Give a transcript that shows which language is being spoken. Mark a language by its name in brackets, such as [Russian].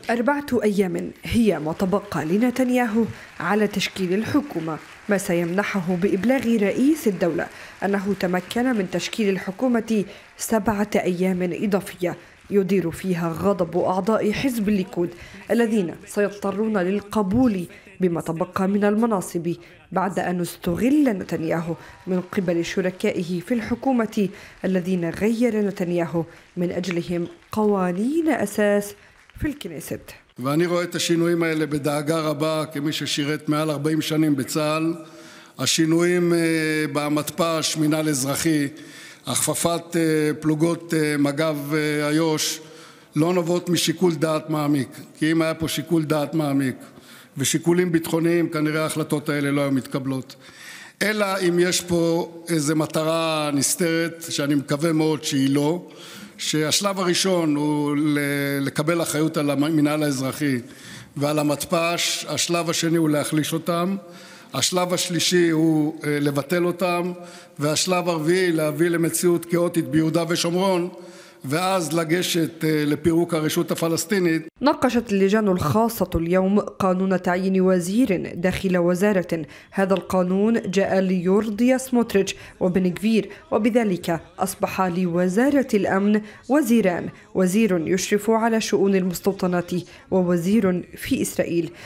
[Arabic] 4 أيام هي ما تبقى لنتنياهو على تشكيل الحكومة، ما سيمنحه بإبلاغ رئيس الدولة أنه تمكن من تشكيل الحكومة 7 أيام إضافية يدير فيها غضب أعضاء حزب الليكود، الذين سيضطرون للقبول بما تبقى من المناصب بعد أن استغل نتنياهو من قبل شركائه في الحكومة الذين غير نتنياهو من أجلهم قوانين أساس في الكنيسة. [Hebrew] ואני רואה את השינויים האלה בדאגה רבה כמי ששירת מעל 40 שנים בצהל. השינויים במתפ"ש, מינהל אזרחי, הכפפת פלוגות מג"ב איו"ש לא נובעות משיקול דעת מעמיק. כי אם היה פה שיקול דעת מעמיק ושיקולים ביטחוניים, כנראה ההחלטות האלה לא היו מתקבלות. אלא אם יש פה איזו מטרה נסתרת, שאני מקווה מאוד שהיא לא. שהשלב הראשון הוא לקבל אחריות על המנהל האזרחי ועל המתפ"ש, השלב השני הוא להחליש אותם, השלב השלישי הוא לבטל אותם, והשלב הרביעי להביא למציאות כאוטית ביהודה ושומרון ואז לגשת לפירוק הרשות הפלסטינית. [Arabic] ناقشت اللجان الخاصة اليوم قانون تعيين وزير داخل وزارة، هذا القانون جاء ليرضي سموتريتش وبن غفير، وبذلك أصبح لوزارة الأمن وزيران، وزير يشرف على شؤون المستوطنات ووزير في إسرائيل.